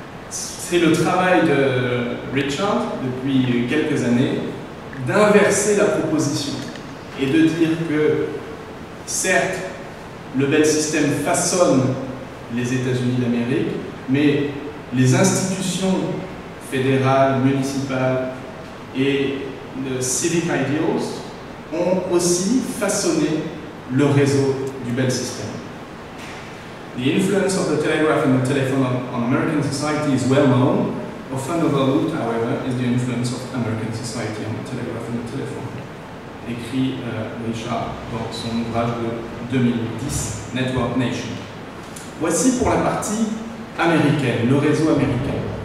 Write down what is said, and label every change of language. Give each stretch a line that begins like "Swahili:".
French: C'est le travail de Richard, depuis quelques années, d'inverser la proposition et de dire que certes, le Bell System façonne les États-Unis d'Amérique, mais les institutions fédérales, municipales et le civic ideals ont aussi façonné le réseau du Bell System.
English: The influence of the telegraph and the telephone on American society is well known. Often overlooked, however, is the influence of American society on the telegraph and the telephone.
French: Écrit Richard dans son ouvrage de 2010, Network Nation. Voici pour la partie américaine, le réseau américain.